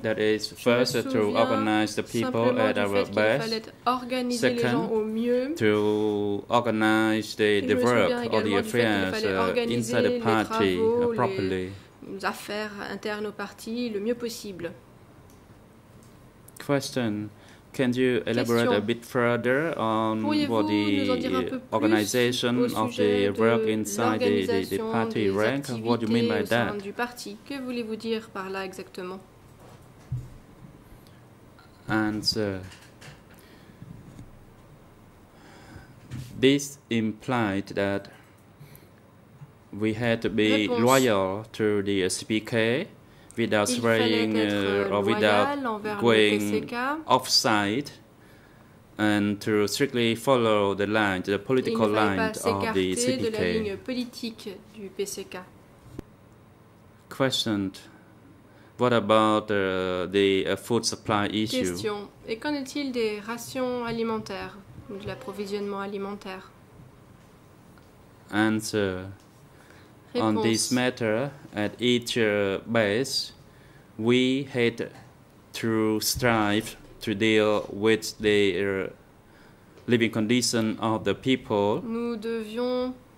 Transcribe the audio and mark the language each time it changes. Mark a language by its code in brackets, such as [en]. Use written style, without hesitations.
[en] That is, first, to organize the people at our best. Second, to organize the work or the affairs inside the party properly. [fr] Les affaires internes au parti le mieux possible. [en] Question. Can you elaborate a bit further on what the organization of the work inside the party rank? What do you mean by that? [fr] Du parti. Que voulez-vous dire par là exactement? [en] Answer. This implied that we had to be loyal to the CPK. Without swearing or without going offside, and to strictly follow the line, the political line of the CPK. Question: what about the food supply issue? [fr] Question: et qu'en est-il des rations alimentaires, de l'approvisionnement alimentaire? [en] Answer: on this matter, at each base, we had to strive to deal with the living condition of the people. [fr] Nous devions